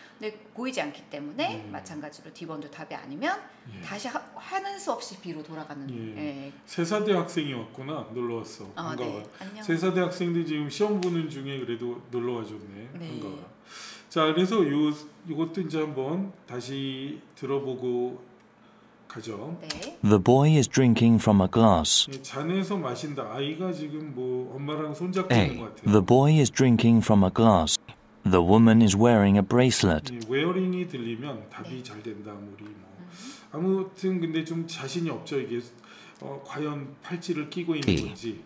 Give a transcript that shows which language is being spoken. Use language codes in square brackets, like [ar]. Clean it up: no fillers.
[ko] 근데 보이지 않기 때문에 마찬가지로 D번도 답이 아니면 다시 하는 수 없이 B로 돌아가는. 세사대 학생이 왔구나. 놀러 왔어. 반가워. 네. 안녕. 세사대 학생들 지금 시험 보는 중에 그래도 놀러 와줬네. 반가워. 자, 그래서 이것도 이제 한번 다시 들어보고 가죠. [en] 네. The boy is drinking from a glass. [ko] 잔에서 마신다. 아이가 지금 뭐 엄마랑 손 잡고 있는 것 같아요. [en] The boy is drinking from a glass. The woman is wearing a bracelet. [ko] Wearing이 들리면 답이 잘 된다. 우리 뭐 아무튼 근데 좀 자신이 없죠. 이게 과연 팔찌를 끼고 있는 건지.